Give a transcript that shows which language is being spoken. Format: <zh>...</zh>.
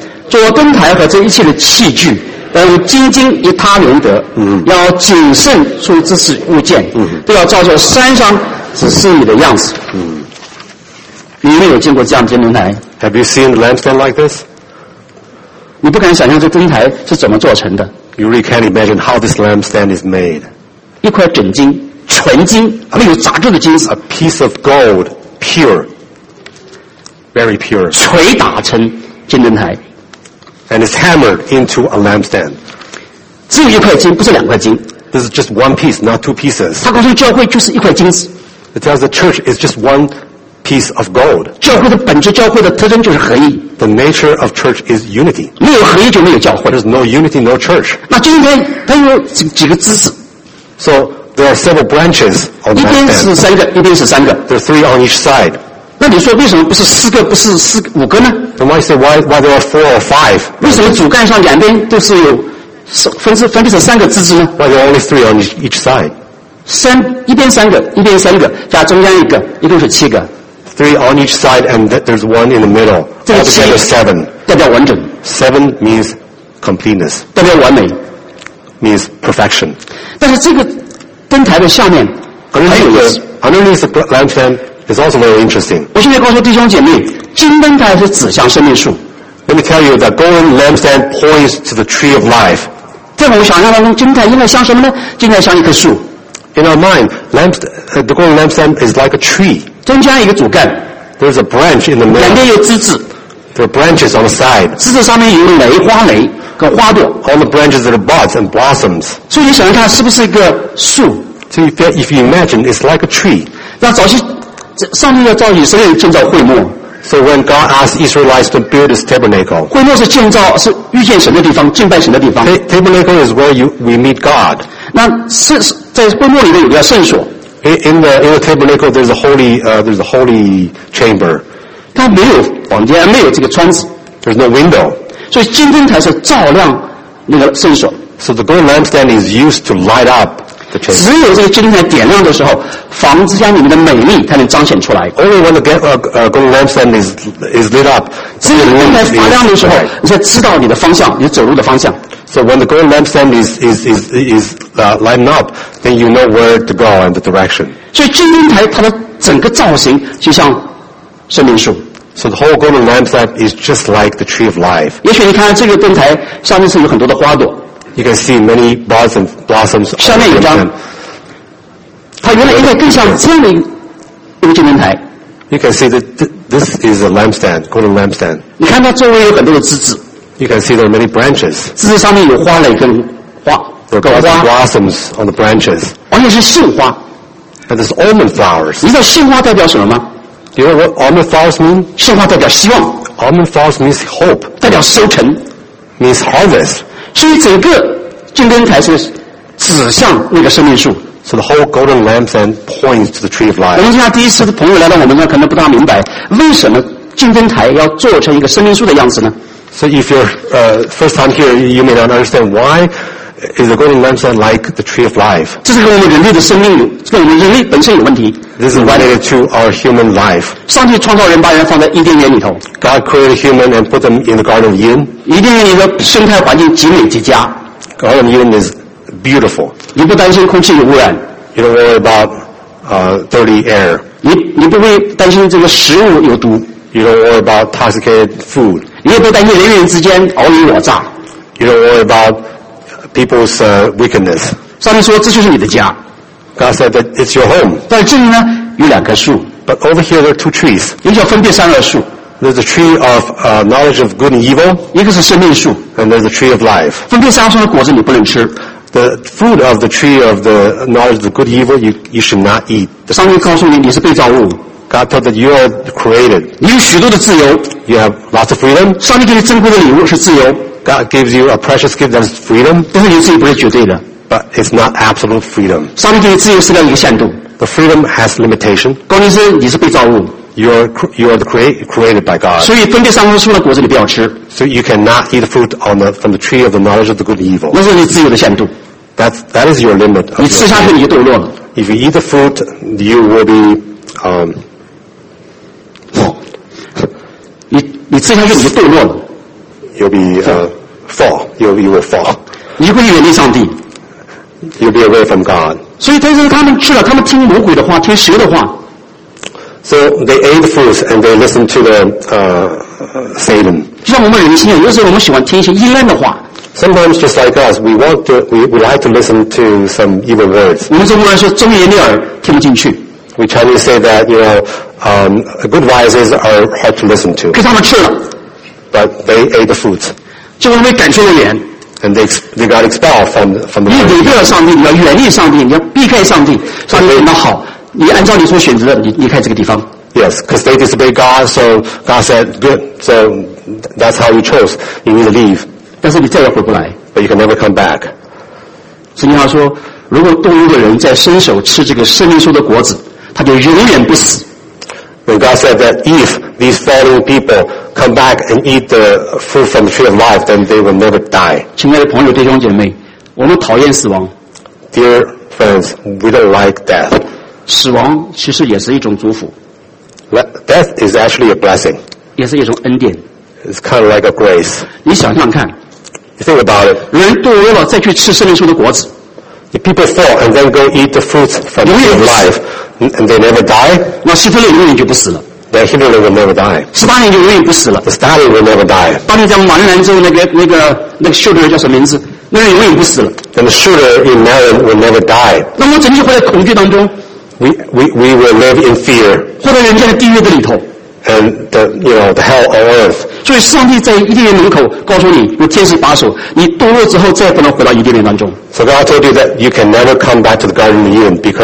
<zh>做灯台和这一切的器具用金金一他连得，要谨慎处置是物件，都要照着山上指示你的样子。你有没有见过这样的金灯台</zh> <en>？Have you seen the lampstand like this？</en> <zh>你不敢想象这灯台是怎么做成的</zh> <en>？You really can't imagine how this lampstand is made。</en> <zh>一块整金，纯金，没有杂质的金子。</zh> <en>A piece of gold, pure, very pure。</en> <zh>锤打成金灯台。</zh> <en>And it's hammered into a lampstand.</en> <zh>只有一块金，不是两块金。</zh> <en>This is just one piece, not two pieces.</en> <zh>他告诉教会就是一块金子。</zh> <en>It tells the church is just one piece of gold.</en> <zh>教会的本质，教会的特征就是合一。</zh> <en>The nature of church is unity.</en> <zh>没有合一就没有教会。</zh> <en>There's no unity, no church.</en> <zh>那今天它有几个枝子</zh> <en>？So there are several branches on the lampstand.</en> <zh>一边是三个，一边是三个。</zh> <en>There are three on each side.</en> <zh>那你说为什么不是四个，不是四五个呢？</zh> <en>And why say why there are four or five?</en> <zh>为什么主干上两边都是有分成三个枝子呢</zh> <en>？Why there are only three on each side?</en> <zh>三一边三个，一边三个，加中间一个，一共是七个。</zh> <en>Three on each side, and there's one in the middle. Altogether seven.</en> <zh>代表完整。</zh> <en>Seven means completeness.</en> <zh>代表完美。</zh> <en>Means perfection.</en> <zh>但是这个灯台的下面</zh> <en>underneath the lampstand is also very interesting.</en> <zh>我现在告诉弟兄姐妹。金灯台是指向生命树。</zh> <en>Let me tell you that golden lampstand points to the tree of life.</en> <zh>在我想象当中，金灯台应该像什么呢？金灯台像一棵树。</zh> <en>In our mind, the golden lampstand is like a tree.</en> <zh>中间一个主干。</zh> <en>There's a branch in the middle.</en> <zh>两边有枝子。</zh> <en>There are branches on the side.</en> <zh>枝子上面有蕾、花蕾和花朵。</zh> <en>All the branches are buds and blossoms.</en> <zh>所以你想一看，是不是一个树</zh> <en>？So if you imagine, it's like a tree.</en> <zh>那早些上帝要造以色列建造会幕。</zh> <en>So when God asked Israelites to build this tabernacle,</en> <zh>会幕是建造，是遇见神的地方，敬拜神的地方。</zh> <en>Tabernacle is where we meet God.</en> <zh>那是在会幕里面有个圣所。</zh> <en>In the tabernacle, there's a holy chamber.</en> <zh>它没有房间，没有这个窗子。</zh> <en>There's no window.</en> <zh>所以金灯台是照亮那个圣所。</zh> <en>So the golden lampstand is used to light up.</en> <zh>只有这个金灯台点亮的时候，房子家里面的美丽才能彰显出来。</zh> <en>Only when the golden lampstand is lit up,</en> <zh>只有灯台发亮的时候，你才知道你的方向，你走路的方向。</zh> <en>So when the golden lampstand is lighten up, then you know where to go and the direction.</en> <zh>所以金灯台它的整个造型就像生命树。</zh> <en>So the whole golden lampstand is just like the tree of life.</en> <zh>也许你看这个灯台上面是有很多的花朵。</zh> <en>You can see many buds and blossoms.</en> <zh>下面有一张，它原来应该更像这样的一个救灯台。</zh> <en>You can see that this is a lampstand, golden lampstand.</en> <zh>你看它周围有很多的枝子。</zh> <en>You can see there are many branches.</en> <zh>枝子上面有花蕾跟花。</zh> <en>There are many blossoms on the branches.</en> <zh>而且是杏花。</zh> <en>And there's almond flowers.</en> <zh>你知道杏花代表什么吗？</zh> <en>Do you know what almond flowers mean?</en> <zh>杏花代表希望。</zh> <en>Almond flowers means hope.</en> <zh>代表收成。</zh> <en>Means harvest.</en> <zh>所以整个金灯台是指向那个生命树。</zh> <en>So the whole golden lampstand points to the tree of life.</en> <zh>我们现在第一次的朋友来到我们那，可能不大明白为什么金灯台要做成一个生命树的样子呢？</zh> <en>So if you're first time here, you may not understand why is the golden lampstand like the tree of life.</en> <zh>这是跟我们人类的生命，跟我们人类本身有问题。</zh> <en>This is related to our human life.</en> <zh>上帝创造人，把人放在伊甸园里头。</zh> <en>God created human and put them in the Garden of Eden.</en> <zh>伊甸园里的生态环境极美极佳。</zh> <en>Garden of Eden is beautiful.</en> <zh>你不担心空气有污染。</zh> <en>You don't worry about dirty air.</en> <zh>你不会担心这个食物有毒。</zh> <en>You don't worry about toxicated food.</en> <zh>你也不担心人与人之间尔虞我诈。</zh> <en>You don't worry about people's wickedness.</en> <zh>上帝说，这就是你的家。</zh> <en>God said that it's your home.</en> <zh>但这里呢有两棵树。</zh> <en>But over here there are two trees.</en> <zh>一个叫分辨善恶树。</zh> <en>There's a tree of knowledge of good and evil.</en> <zh>一个是生命树。</zh> <en>And there's a tree of life.</en> <zh>分辨善恶树的果子你不能吃。</zh> <en>The fruit of the tree of the knowledge of the good and evil you should not eat.</en> <zh>上帝告诉你，你是被造物。</zh> <en>God told that you are created.</en> <zh>你有许多的自由。</zh> <en>You have lots of freedom.</en> <zh>上帝给你珍贵的礼物是自由。</zh> <en>God gives you a precious gift that is freedom.</en> <zh>但是你自己不是绝对的。</zh> <en>But it's not absolute freedom.</en> <zh>上帝给你自由是有一个限度。</zh> <en>The freedom has limitation.</en> <zh>关键是你是被造物。</zh> <en>You are created by God.</en> <zh>所以分别三棵树的果子你不要吃。</zh> <en>So you cannot eat fruit from the tree of the knowledge of the good and evil.</en> <zh>那是你自由的限度。</zh> <en>That is your limit.</en> <zh>你吃下去你就堕落了。</zh> <en>If you eat the fruit, you will be</en> <zh>你吃下去你就堕落了。</zh> <en>You'll be fall. You will fall.</en> <zh>你会远离上帝。</zh> <en>You'll be away from God.</en> <zh>所以但是他们去了，他们听魔鬼的话，听蛇的话。</zh> <en>So they ate the fruits and they listened to the Satan.</en> <zh>就像我们人心，有时候我们喜欢听一些阴暗的话。</zh> <en>Sometimes just like us, we like to listen to some evil words.</en> <zh>我们中国人说忠言逆耳，听不进去。</zh> <en>We Chinese say that you know, good voices are hard to listen to.</en> <zh>可他们吃了。</zh> <en>But they ate the fruits.</en> <zh>就因为赶出了眼。</zh> <en>And they got expelled from the.</en> <zh>你违背了上帝，你要远离上帝，你要避开上帝。上帝那好，你按照你所选择的，你离开这个地方。</zh> <en>Yes, because they disobeyed God, so God said, "Good." So that's how you chose. You need to leave.</en> <zh>但是你再也回不来。</zh> <en>But you can never come back.</en> <zh>圣经上说，如果动物的人在伸手吃这个生命树的果子，他就永远不死。</zh> <en>When God said that if these fallen people come back and eat the fruit from the tree of life, then they will never die.</en> <zh>亲爱的朋友，弟兄姐妹，我们讨厌死亡。</zh> <en>Dear friends, we don't like death.</en> <zh>死亡其实也是一种祝福。</zh> <en>Death is actually a blessing.</en> <zh>也是一种恩典。</zh> <en>It's kind of like a grace.</en> <zh>你想想看。</zh> <en>You think about it.</en> <zh>人堕落了再去吃生命树的果子。</zh> <en>If people fall and then go eat the fruits from the tree of life, and they never die,</en> <zh>那希特勒永远就不死了。</zh> <en>That Hitler will never die.</en> <zh>斯大林就永远不死了。</zh> <en>Stalin will never die.</en> <zh>当你在马里兰州那个 shooter 叫什么名字？那人永远不死了。</zh> <en>And the shooter in Maryland will never die.</en> <zh>那我们整天活在恐惧当中。</zh> <en>We will live in fear.</en> <zh>活在人间的地狱的里头。</zh> <en>And the you know the hell on earth.</en> <zh>所以上帝在伊甸园门口告诉你，有天使把守，你堕落之后再也不能回到伊甸园当中。</zh> <en>So God told you that you can never come back to the Garden of Eden because.</en>